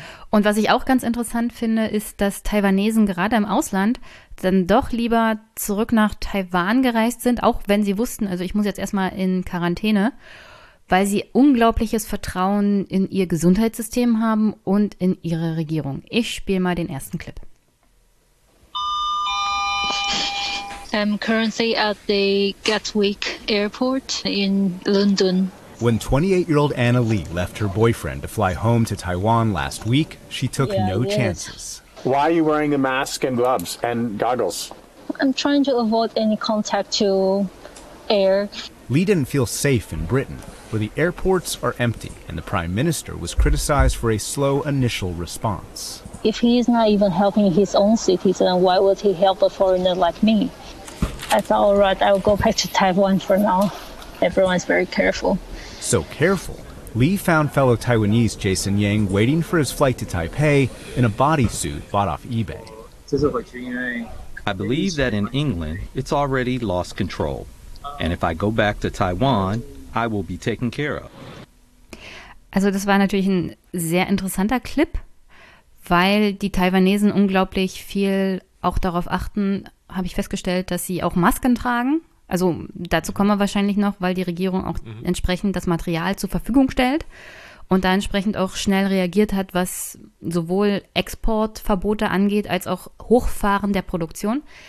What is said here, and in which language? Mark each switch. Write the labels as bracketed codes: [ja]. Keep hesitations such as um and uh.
[de] Und was ich auch ganz interessant finde, ist, dass Taiwanesen gerade im Ausland dann doch lieber zurück nach Taiwan gereist sind, auch wenn sie wussten, also ich muss jetzt erstmal in Quarantäne, weil sie unglaubliches Vertrauen in ihr Gesundheitssystem haben und in ihre Regierung. Ich spiele mal den ersten Clip. [en] I'm currently at the Gatwick Airport in London. When 28 year old Anna Lee left her boyfriend to fly home to Taiwan last week, she took Yeah, no yes. chances. Why are you wearing a mask and gloves and goggles? I'm trying to avoid any contact to air. Lee didn't feel safe in Britain, where the airports are empty and the prime minister was criticized for a slow initial response. If he is not even helping his own citizen, why would he help a foreigner like me? I thought, all right, I will go back to Taiwan for now. Everyone's very careful. So careful, Lee found fellow Taiwanese Jason Yang waiting for his flight to Taipei in a bodysuit bought off eBay. I believe that in England, it's already lost control. And if I go back to Taiwan, I will be taken care of. [de] Also das war natürlich ein sehr interessanter Clip, weil die Taiwanesen unglaublich viel auch darauf achten, habe ich festgestellt, dass sie auch Masken tragen. Also dazu kommen wir wahrscheinlich noch, weil die Regierung auch entsprechend das Material zur Verfügung stellt und da entsprechend auch schnell reagiert hat, was sowohl Exportverbote angeht als auch Hochfahren der Produktion.